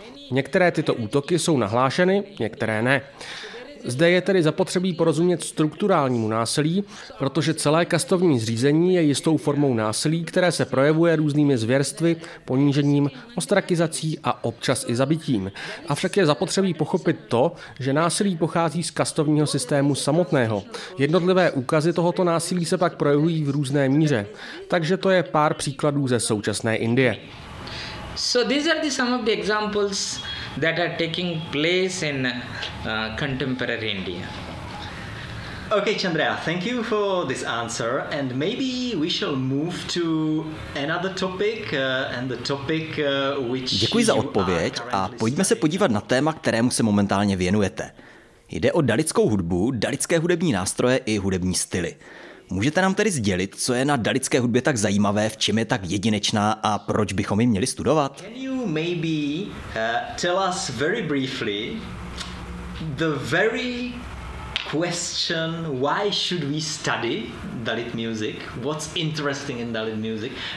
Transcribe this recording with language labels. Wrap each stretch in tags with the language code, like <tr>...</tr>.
<cs>Některé tyto útoky jsou nahlášeny, některé ne. Zde je tedy zapotřebí porozumět strukturálnímu násilí, protože celé kastovní zřízení je jistou formou násilí, které se projevuje různými zvěrstvy, ponížením, ostrakizací a občas i zabitím. Avšak je zapotřebí pochopit to, že násilí pochází z kastovního systému samotného. Jednotlivé úkazy tohoto násilí se pak projevují v různé míře. Takže to je pár příkladů ze současné Indie.</cs> <en>So these are the some of the examples that are taking place in contemporary India. Okay, Chandraiah, thank you for this answer, and maybe we shall move to another topic and the topic which</en> <cs>Děkuji za odpověď a pojďme se podívat na téma, kterému se momentálně věnujete. Jde o dalitskou hudbu, dalitské hudební nástroje i hudební styly. Můžete nám tedy sdělit, co je na dalitské hudbě tak zajímavé, v čem je tak jedinečná a proč bychom ji měli studovat?</cs> <en>Can you maybe tell us very briefly the very question why should we study Dalit music? What's interesting in Dalit music?</en>